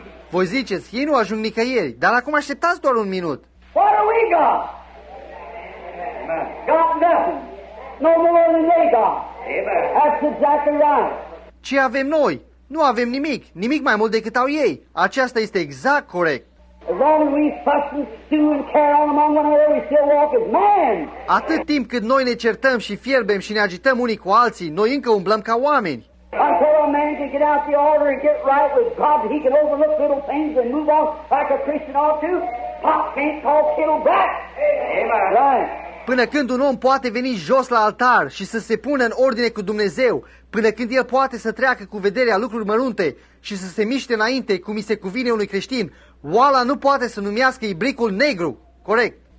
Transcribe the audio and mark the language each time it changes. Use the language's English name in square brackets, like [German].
[Romanian] Voi ziceți, ei nu ajung nicăieri, dar acum așteptați doar un minut. [English] What do we got? Got nothing. No more than they got. That's exactly right. [Romanian] Ce avem noi? Nu avem nimic, nimic mai mult decât au ei. Aceasta este exact corect. [English] As long as we fuss and stew and carry on among one another, we still walk as men. [Romanian] Atât timp cât noi ne certăm și fierbem și ne agităm unii cu alții, noi încă umblăm ca oameni. [English] Until a man can get out the order and get right with God, he can overlook little things and move on like a Christian ought to. Pop can't call kettle black. Amen. Right. [Romanian] Până când un om poate veni jos la altar și să se pună în ordine cu Dumnezeu, până când el poate să treacă cu vederea lucruri mărunte și să se miște înainte cum îi se cuvine unui creștin, oala nu poate să numească ibricul negru. Corect.